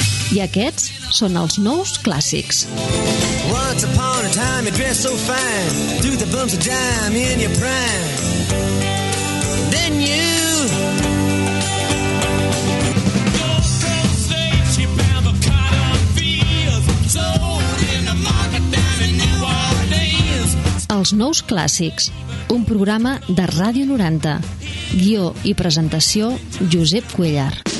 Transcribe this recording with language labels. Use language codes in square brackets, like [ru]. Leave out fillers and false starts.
[ca] I aquests són els nous clàssics. [en] Once upon a time you dressed so fine, threw the bumps of dime in your prime. Then you [ca] Els nous clàssics, un programa de Ràdio 90. Guió i presentació, Josep Cuellar.